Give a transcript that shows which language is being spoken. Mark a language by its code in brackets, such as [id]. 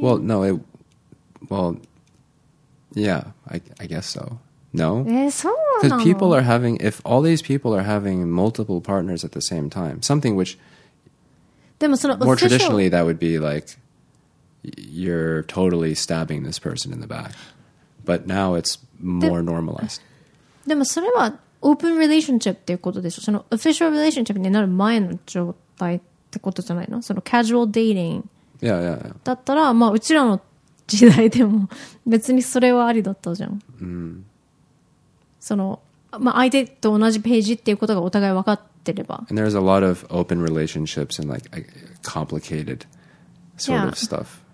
[en] Well, no, it. Well, yeah, I guess so. No, because people are having. If all these people are having multiple partners at the same time, something which, more traditionally, that would be like you're totally stabbing this person in the back. But now it's more normalized. [ja] でもそれはオープンリレーションシップっていうことでしょ。そのオフィシャルリレーションシップになる前の状態ってことじゃないの？そのカジュアルデーティングだったら、まあうちらの時代でも別にそれはありだったじゃん。 Mm. その、まあ、相手と同じページっていうことがお互い分かってれば。 [en] And there's a lot of open relationships and like complicated sort of stuff.